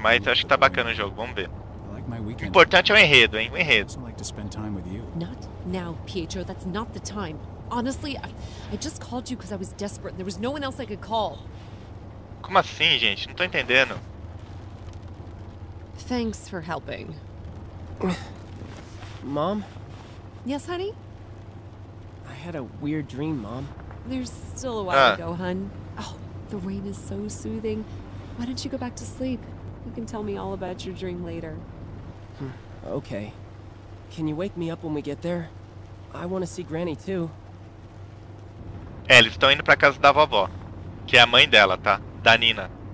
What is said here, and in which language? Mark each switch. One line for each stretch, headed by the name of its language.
Portuguese: Mas acho que tá bacana o jogo, vamos ver. O importante é o enredo, hein? O enredo.
English: Not now, Pietro. That's not the time. Honestly, I just called you because I was desperate. There was no one else I could call.
Portuguese: Como assim, gente? Não tô entendendo.
English: Thanks for helping. Mom? Yes, honey? I had a weird dream, Mom. There's still a while to go, hun. Oh, the rain is so soothing. Why don't you go back to sleep? You can tell me all about your dream later. Okay. Can you wake me up when we get there? I want to see Granny too.
Portuguese: Eles estão indo para casa da vovó, que é a mãe dela, tá? Da Nina.